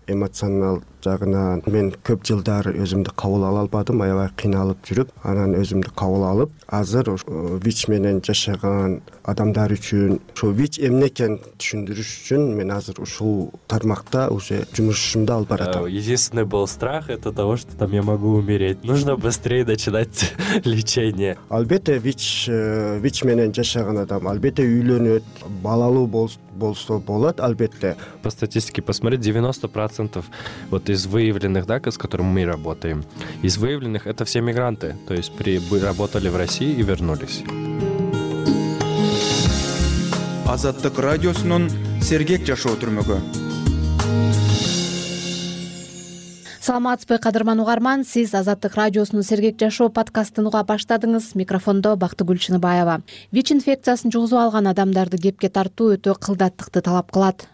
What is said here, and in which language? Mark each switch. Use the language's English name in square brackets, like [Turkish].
[Kyrgyz] Эмоционал жагынан мен көп жылдар өзүмдү кабыл ала албадым, аябай кыйналып жүрүп, анан өзүмдү кабыл алып, азыр ВИЧ менен жашаган адамдар үчүн, ушу ВИЧ эмне экенин түшүндүрүш үчүн мен азыр ушул тармакта уже жумушумду алып баратам. [Russian] Единственный был страх это того, что там я могу умереть. Нужно быстрее начинать лечение. [Kyrgyz] Албетте ВИЧ менен жашаган адам албетте үйлөнөт, балалуу болсо болот албетте. [Russian] По статистике посмотреть, 90% вот из выявленных, да, с которыми мы работаем, из выявленных это все мигранты, то есть работали в России и вернулись. [Kyrgyz] Азаттык радиосунун сергек жашоо түрмөгү. Саламатсызбы, кадырман угарман, сиз Азаттык радиосунун сергек жашоо подкастын уга баштадыңыз. Микрофондо Бактыгүл Чыныбаева. ВИЧ инфекциясын жугузуп алган адамдарды кепке тартуу өтө кылдаттыкты талап кылат.